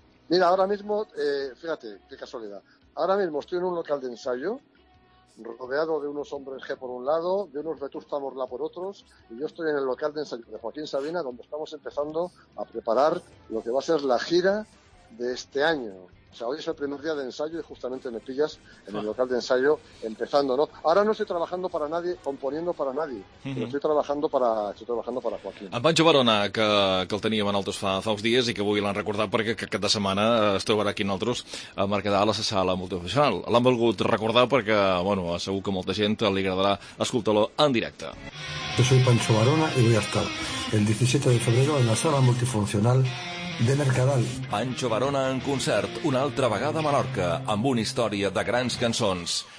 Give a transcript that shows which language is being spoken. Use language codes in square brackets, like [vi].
[es] Mira, ahora mismo, fíjate, qué casualidad. Ahora mismo estoy en un local de ensayo, rodeado de unos hombres G por un lado, de unos Vetusta Morla por otros, y yo estoy en el local de ensayo de Joaquín Sabina, donde estamos empezando a preparar lo que va a ser la gira de este año. O sea, hoy es el primer día de ensayo y justamente me pillas en el local de ensayo empezando, ¿no? Ahora no estoy trabajando para nadie, componiendo para nadie, pero estoy trabajando para Joaquín. [ca] En Pancho Barona, que el teníem en altres fa uns dies i que avui l'han recordat perquè aquesta setmana es trobarà aquí nosaltres a Mercadal, a la sala multifuncional. L'han volgut recordar perquè, bueno, segur que molta gent li agradarà escoltar-lo en directe. [es] Yo soy Pancho Barona y voy a estar el 17 de febrero en la sala multifuncional de Mercadal. [ca] Pancho Barona en concert, una altra vegada a Menorca, amb una història de grans cançons.